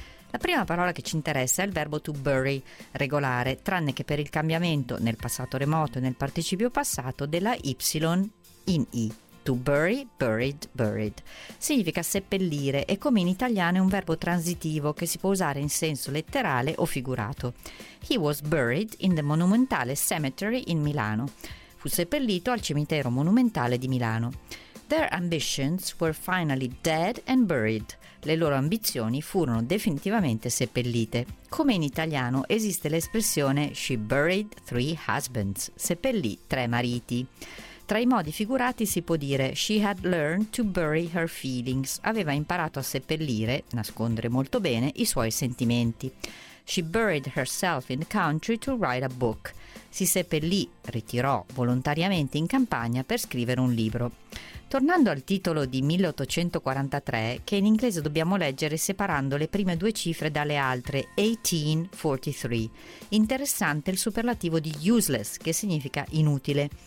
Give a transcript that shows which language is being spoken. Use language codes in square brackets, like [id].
[it] La prima parola che ci interessa è il verbo to bury, regolare, tranne che per il cambiamento nel passato remoto e nel participio passato della Y in I. To bury, buried, buried. Significa seppellire e, come in italiano, è un verbo transitivo che si può usare in senso letterale o figurato. [en] He was buried in the Monumentale Cemetery in Milano. [it] Fu seppellito al cimitero monumentale di Milano. Their ambitions were finally dead and buried. Le loro ambizioni furono definitivamente seppellite. Come in italiano esiste l'espressione she buried three husbands, seppellì tre mariti. Tra i modi figurati si può dire she had learned to bury her feelings, aveva imparato a seppellire, nascondere molto bene, i suoi sentimenti. [en] She buried herself in the country to write a book. [it] Si seppellì, ritirò volontariamente in campagna per scrivere un libro. Tornando al titolo di 1843, che in inglese dobbiamo leggere separando le prime due cifre dalle altre, 1843. Interessante il superlativo di useless, che significa inutile.